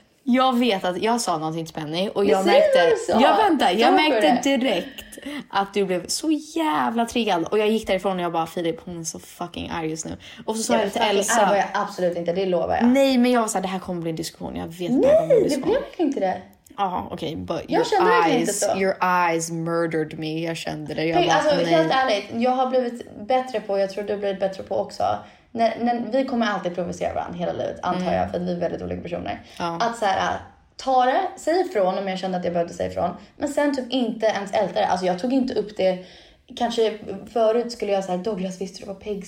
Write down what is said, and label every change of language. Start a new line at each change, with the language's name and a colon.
Swedish: Jag vet att jag sa någonting till Penny. Och jag märkte, direkt att du blev så jävla triggad. Och jag gick därifrån och jag bara, Filip, hon är så fucking arg just nu. Och så sa jag till Elsa. Det var jag absolut inte, det lovar jag. Nej, men jag var såhär, det här kommer bli en diskussion. Jag vet inte om det kommer bli en diskussion. Nej, det blev verkligen inte det.
English: Okay, but your eyes murdered me.
Swedish: Jag kände det. Jag bara, alltså, helt ärligt, jag har blivit bättre på, jag tror du blir bättre på också, när vi kommer alltid provocera varandra hela livet, antar jag, för att vi är väldigt olika personer. Ja. Att så här, ta det, säg ifrån om jag kände att jag behövde säga ifrån. Men sen typ inte ens ältare. Alltså jag tog inte upp det. Kanske förut skulle jag säga Douglas, visste du var pigg?